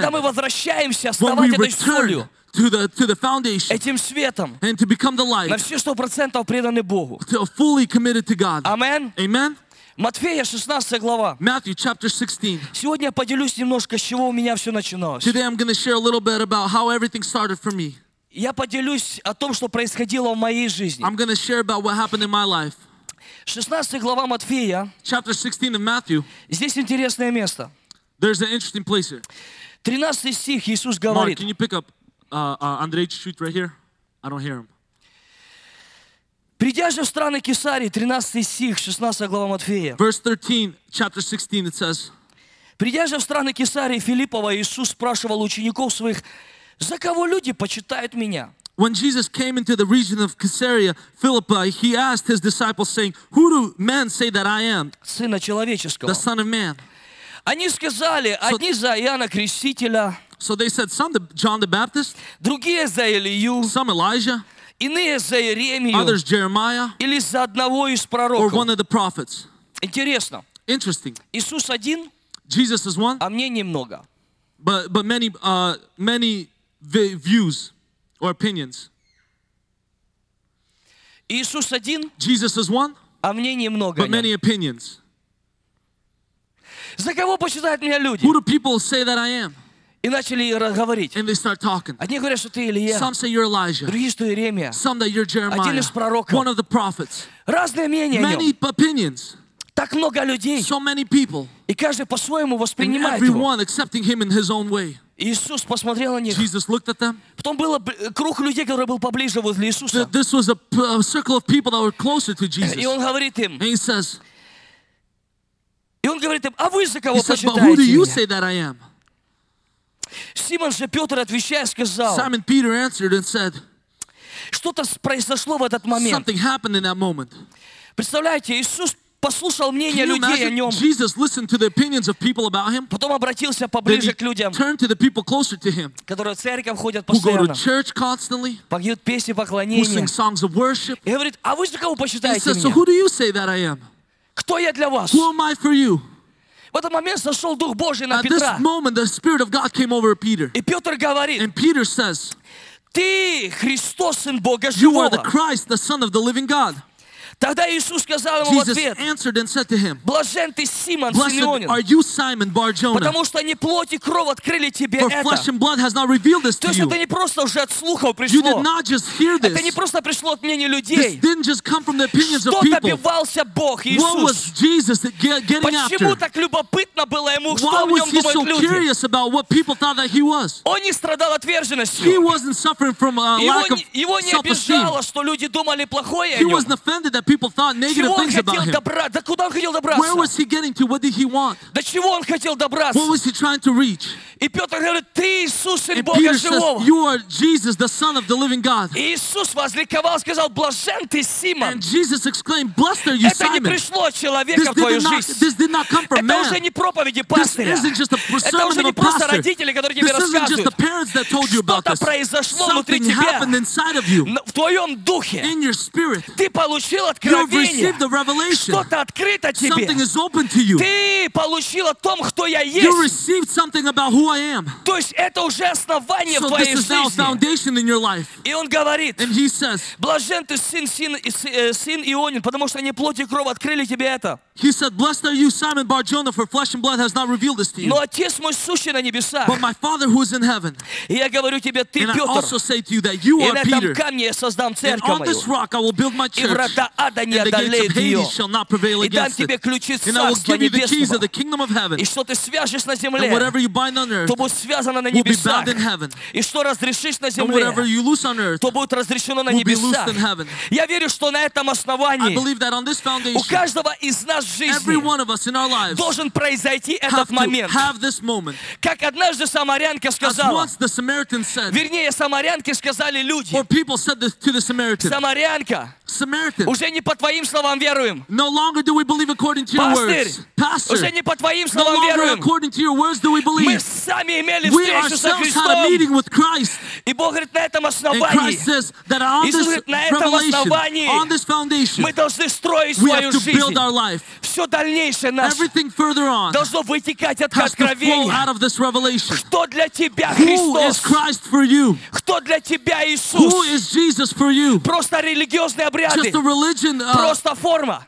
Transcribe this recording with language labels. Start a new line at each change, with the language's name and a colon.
Russian: когда мы возвращаемся оставать этой солью.
English: To the foundation,
Russian: этим светом,
English: and to become the light,
Russian: на все 100% преданы Богу.
English: To fully committed to God. Amen. Amen.
Russian: Матфея, 16 глава.
English: Matthew, chapter 16.
Russian: Сегодня я поделюсь немножко, с чего у меня все начиналось.
English: Today I'm going to share a little bit about how everything started for me.
Russian: Я поделюсь о том, что происходило в моей жизни.
English: I'm going to share about what happened in my life.
Russian: 16 глава Матфея.
English: Chapter 16 of Matthew.
Russian: Здесь интересное место.
English: There's an interesting place here.
Russian: 13 стих Иисус говорит.
English: Mark, can you pick up Andrei
Russian: чуть-чуть
English: right here? I don't hear him.
Russian: Придя же в страны Кесарии, 13 стих, 16 глава Матфея.
English: Verse 13, chapter 16, it says.
Russian: Придя же в страны Кесарии Филиппова, Иисус спрашивал учеников своих, за кого люди почитают меня?
English: When Jesus came into the region of Caesarea Philippi, he asked his disciples, saying, "Who do men say that I am?"
Russian: Сына человеческого.
English: The Son of Man.
Russian: Они сказали, одни за Иоанна Крестителя.
English: So they said, some the John the Baptist.
Russian: Другие за Илию.
English: Some Elijah.
Russian: Иные за Иеремию.
English: Others Jeremiah.
Russian: Или за одного из пророков.
English: Or one of the prophets.
Russian: Интересно.
English: Interesting.
Russian: Иисус один.
English: Jesus is one.
Russian: А мне немного.
English: But many many views. Or opinions.
Russian: Иисус один.
English: Jesus is one.
Russian: А мнений много.
English: But many opinions.
Russian: За кого почитают меня люди?
English: Who do people say that I am?
Russian: И начали разговаривать.
English: And they start talking.
Russian: Одни говорят, что ты Илия.
English: Some say you're Elijah.
Russian: Другие, что Иеремия.
English: Some that you're Jeremiah.
Russian: Один из пророков.
English: One of the prophets.
Russian: Разные мнения.
English: Many opinions.
Russian: Так много людей.
English: So many people.
Russian: И каждый по-своему воспринимает его.
English: And everyone accepting him in his own way.
Russian: Иисус посмотрел на них.
English: Jesus looked at them.
Russian: Потом был круг людей, который был поближе возле Иисуса.
English: This was a circle of people that were closer to Jesus.
Russian: И он говорит им.
English: And he says.
Russian: И он говорит им, а вы за кого почитаете меня?
English: But who do you say that I am?
Russian: Симон же Петр отвечая сказал.
English: Simon Peter answered and said.
Russian: Что-то произошло в этот момент.
English: Something happened in that moment.
Russian: Представляете, Иисус послушал мнение людей о нем.
English: Jesus listened to the opinions of people about him.
Russian: Потом обратился поближе к людям.
English: Turned to the people closer to him.
Russian: Которые в церковь ходят постоянно.
English: Who go to church constantly.
Russian: Поют песни поклонения.
English: Who sing songs of worship.
Russian: И говорит, а вы за кого почитаете меня?
English: He says, so who do you say that I am?
Russian: Кто я для вас?
English: Who am I for you?
Russian: В этот момент сошел Дух Божий на Петра.
English: At this moment, the Spirit of God came over Peter.
Russian: И Петр говорит.
English: And Peter says,
Russian: ты Христос, Сын Бога Живого.
English: You are the Christ, the Son of the Living God.
Russian: Тогда Иисус сказал ему
English: Jesus
Russian: в ответ.
English: Answered and said to him,
Russian: блажен ты, Симон, Блажен Симеонин.
English: Are you Simon Bar-Jonah?
Russian: Потому что не плоть и кровь открыли тебе
English: For
Russian: это.
English: Flesh and blood has not revealed this
Russian: то есть
English: to
Russian: это
English: you.
Russian: Не просто уже от слухов пришло.
English: You did not just hear this.
Russian: Это не просто пришло от мнения людей.
English: This didn't just come from the opinions
Russian: что
English: of people.
Russian: Добивался Бог Иисус?
English: What was Jesus getting
Russian: Почему
English: after?
Russian: Так любопытно было ему, что
English: Why
Russian: в нем думают
English: so
Russian: люди?
English: Curious about what people thought that he was?
Russian: Он не страдал отверженностью.
English: He wasn't suffering from a lack of
Russian: Его не обижало, что люди думали плохое
English: he
Russian: о нем.
English: Wasn't offended that people thought negative things about him. Where was he getting to? What did he want? What was he trying to reach?
Russian: И Петр говорит, ты Иисус, Сын
English: And
Russian: Бога
English: Peter
Russian: Живого.
English: Says, you are Jesus, the Son of the Living God.
Russian: И Иисус возликовал, сказал, блажен ты, Симон.
English: And Jesus exclaimed, blessed are you,
Russian: Это
English: Simon.
Russian: Это не пришло от человека в твою жизнь.
English: This did not come from man.
Russian: Это уже не проповеди пастыря.
English: This isn't just a sermon
Russian: Это уже не
English: of a pastor.
Russian: Просто родители, которые тебе рассказывают.
English: This isn't just the parents that told you about this.
Russian: Что-то произошло
English: Something
Russian: внутри тебя.
English: Something happened inside of you.
Russian: В твоем духе.
English: In your spirit.
Russian: Ты получил откровение.
English: You have received the revelation.
Russian: Что-то открыто тебе.
English: Something is open to you.
Russian: Ты получил о том, кто я есть.
English: You received something about who I am.
Russian: То есть это уже основание
English: so
Russian: в твоей жизни.
English: So this is now a foundation in your life.
Russian: И он говорит.
English: And he says.
Russian: Блажен ты, сын Ионин, потому что не плоть и кровь открыли тебе это.
English: He said, blessed are you, Simon Bar-Jonah, for flesh and blood has not revealed this to you.
Russian: Но отец мой сущий на небесах.
English: But my Father who is in heaven.
Russian: И я говорю тебе, ты
English: and
Russian: Петр.
English: And I also say to you that you are Peter.
Russian: И на этом камне я создам церковь мою.
English: And on this rock I will build my church.
Russian: И врата ада не одолеют ее.
English: And the gates of Hades shall not prevail against it.
Russian: И дам тебе ключи царства
English: And I will give you the keys of the kingdom of heaven.
Russian: И что ты свяжешь на земле.
English: And whatever you bind
Russian: то будет связано на небесах. И что разрешишь на земле,
English: earth,
Russian: то будет разрешено на небесах. Я верю, что на этом основании у каждого из нас в жизни
English: lives,
Russian: должен произойти этот момент.
English: Moment,
Russian: как однажды самарянка сказала,
English: said,
Russian: вернее, самарянке сказали люди, самарянка, уже не по твоим словам веруем. Пастырь, уже не по твоим словам веруем. Сами имели
English: We ourselves had a meeting with Christ.
Russian: И Бог говорит, на этом основании.
English: And Christ says that on this revelation, on this foundation,
Russian: мы должны строить свою жизнь.
English: We have to build our life.
Russian: Все дальнейшее наше.
English: Everything further on.
Russian: Должно вытекать от откровения.
English: Has to flow out of this revelation.
Russian: Кто для тебя Христос?
English: Who is Christ for you?
Russian: Кто для тебя Иисус?
English: Who is Jesus for you?
Russian: Просто религиозные обряды.
English: Just a religion.
Russian: Просто форма.